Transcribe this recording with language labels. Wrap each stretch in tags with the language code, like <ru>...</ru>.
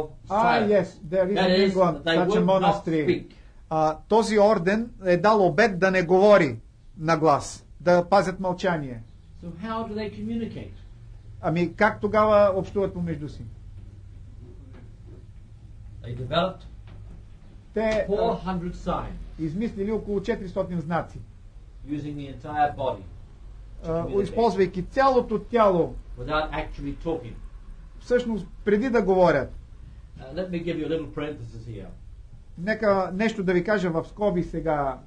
<en>Ah, yes, there is in England such a monastery.</en> <bg>този орден е дал обет да не говори на глас, да пазят мълчание.</bg> <en>So how do they communicate?</en> <bg>Ами как тогава общуват помежду си?</bg> <en>They developed 400 signs.</en> <bg>Измислили около 400 знаци.</bg> <en>Using the entire body.</en> <bg>Използвайки цялото тяло.</bg> <en>Without actually talking.</en> <bg>Всъщност преди да говорят.</bg> <en>Let me give you a little parenthesis here.</en> <bg>Нека нещо да ви кажа в скоби сега.</bg>